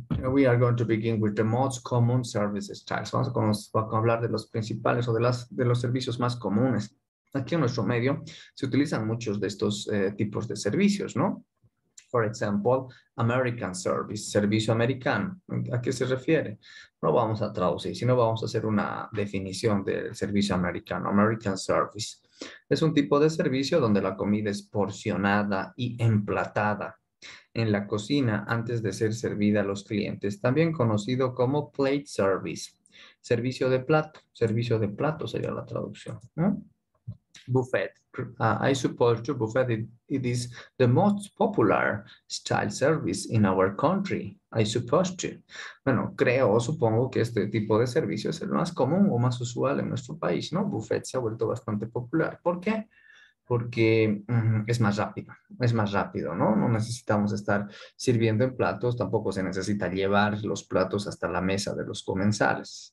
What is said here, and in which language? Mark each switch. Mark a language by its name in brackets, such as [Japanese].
[English] We are going to begin with the most common service styles. [Spanish] Vamos a hablar de los principales o de los servicios más comunes. Aquí en nuestro medio se utilizan muchos de estos tipos de servicios, ¿no? [English] For example, American service, [Spanish] servicio americano. ¿A qué se refiere? No vamos a traducir, sino vamos a hacer una definición del servicio americano. American service es un tipo de servicio donde la comida es porcionada y emplatada en la cocina antes de ser servida a los clientes, también conocido como plate service, servicio de plato sería la traducción, ¿no? Buffet, [English] I suppose to Buffet it is the most popular style service in our country. I suppose to. [Spanish] Bueno, creo, supongo que este tipo de servicio es el más común o más usual en nuestro país, ¿no? Buffet se ha vuelto bastante popular. ¿Por qué? Porque es más rápido, ¿no? No necesitamos estar sirviendo en platos, tampoco se necesita llevar los platos hasta la mesa de los comensales.